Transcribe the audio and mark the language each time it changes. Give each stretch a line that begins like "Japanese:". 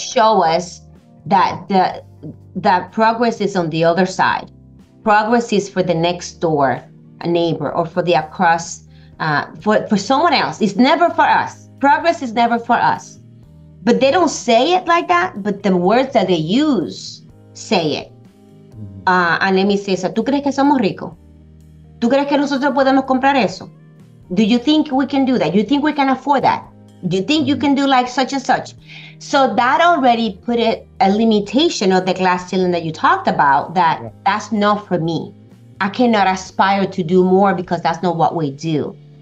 English: Show us that the progress is on the other side. Progress is for the next door, a neighbor, or for the across, for someone else. It's never for us. Progress is never for us. But they don't say it like that, but the words that they use say it. And let me say, so,
Spanish: ¿tú crees que somos ricos? ¿Tú crees que nosotros podemos comprar eso?
English: Do you think we can do that? Do you think we can afford that? Do you think you can do like such and such? So that already put it a limitation of the glass ceiling that you talked about, that that's not for me. I cannot aspire to do more because that's not what we do.